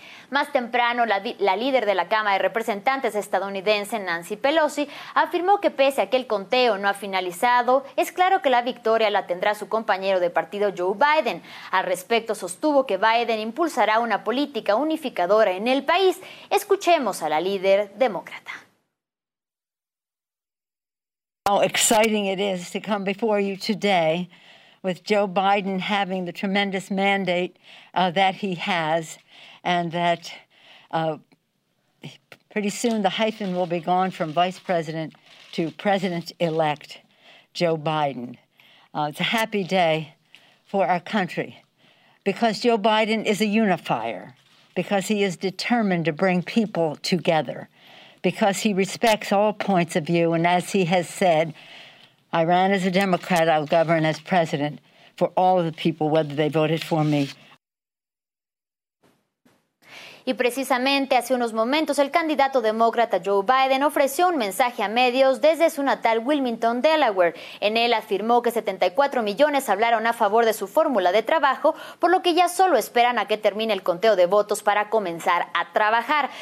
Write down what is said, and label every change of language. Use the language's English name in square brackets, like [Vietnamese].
[Spanish] Más temprano, la líder de la Cámara de Representantes estadounidense, Nancy Pelosi, afirmó que pese a que el conteo no ha finalizado, es claro que la victoria la tendrá su compañero de partido Joe Biden. Al respecto, sostuvo que Biden impulsará una política unificadora en el país. Escuchemos a la líder demócrata. [English] How exciting it is to come before you today with Joe Biden having the tremendous mandate that he has. And that pretty soon the hyphen will be gone from vice president to president-elect Joe Biden. It's a happy day for our country because Joe Biden is a unifier, because he is determined to bring people together, because he respects all points of view. And as he has said, I ran as a Democrat, I'll govern as president for all of the people, whether they voted for me. [Spanish] Y precisamente hace unos momentos el candidato demócrata Joe Biden ofreció un mensaje a medios desde su natal Wilmington, Delaware. En él afirmó que 74 millones hablaron a favor de su fórmula de trabajo, por lo que ya solo esperan a que termine el conteo de votos para comenzar a trabajar.